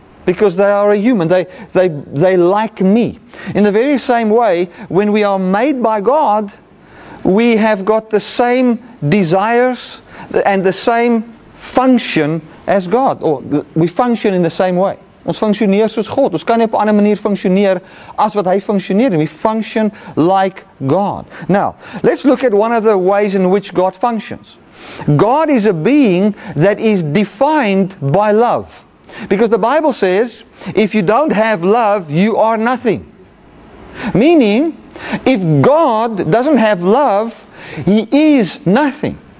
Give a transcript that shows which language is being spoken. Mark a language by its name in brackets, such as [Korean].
[English] Because they are a human. They like me. In the very same way, when we are made by God, we have got the same desires and the same function as God. Or we function in the same way. [Afrikaans] Ons functioneer soos God. Ons kan nie op 'n ander manier functioneer as wat hy functioneer. [English] We function like God. Now, let's look at one of the ways in which God functions. God is a being that is defined by love. Because the Bible says, if you don't have love, you are nothing. Meaning, if God doesn't have love, He is nothing.